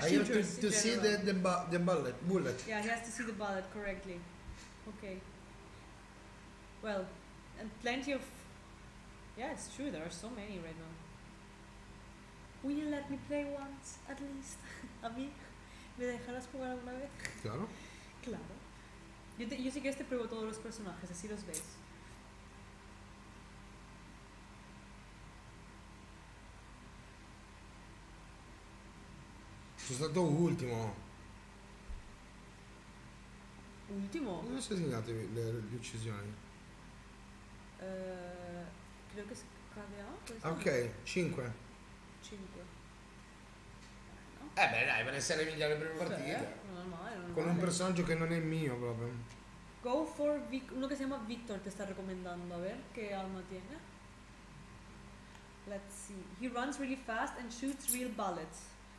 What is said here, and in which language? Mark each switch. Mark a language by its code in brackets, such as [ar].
[en] shoot. To see the bullet. Yeah, he has to see the bullet correctly. Okay. Well, and plenty of. Yeah, it's true. There are so many right now. Will you let me play once at least? [es] A mí, me dejarás jugar alguna vez. Claro. Claro. Yo sí que este pruebo todos los personajes. Así los ves. [it] Sono stato ultimo. Ultimo? Dove sono segnate le uccisioni? Credo che cade A. Ok, 5. 5. Eh beh dai, per essere migliore per le prime partite. Non è male. Con un personaggio che non è mio proprio. [en] Go for [it] uno che si chiama Victor ti sta raccomandando, [es] a ver [it] che arma tiene. [en] Let's see. He runs really fast and shoots real bullets.